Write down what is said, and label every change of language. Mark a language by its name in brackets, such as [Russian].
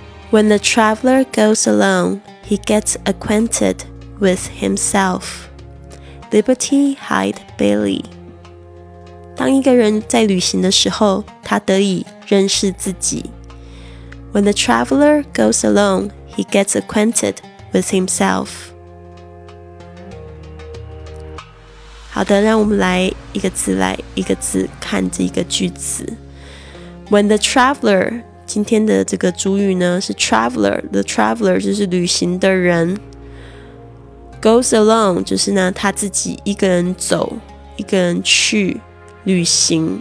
[English] When the traveler goes alone, he gets acquainted with himself. Liberty Hyde Bailey. [Chinese] 当一个人在旅行的时候，他得以认识自己。 [English] When the traveler goes alone, he gets acquainted with himself. [Chinese] 好的，让我们来一个字来一个字看这个句子。 [English] When the traveler... [Chinese] 今天的这个主语呢是 traveler， the traveler 就是旅行的人， [English] goes alone [Chinese] 就是呢他自己一个人走，一个人去旅行。